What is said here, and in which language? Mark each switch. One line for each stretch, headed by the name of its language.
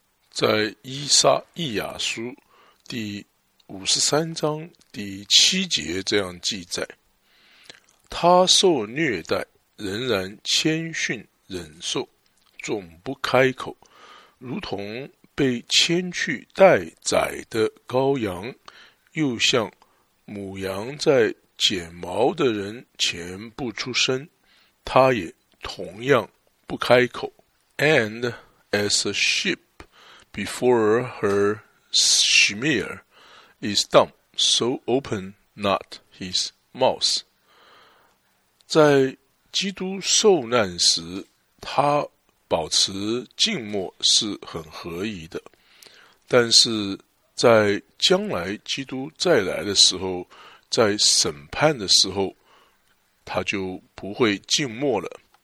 Chinese: 在伊莎伊亚书第53章第7节这样记载，他受虐待仍然谦逊忍受，总不开口，如同被牵去待宰的羔羊，又像母羊在剪毛的人前不出声，他也同样不开口。
English: And as a sheepBefore her shear is dumb, so open not his mouth。
Chinese: 在基督受难时，他保持静默是很合宜的，但是在将来基督再来的时候，在审判的时候，他就不会静默了。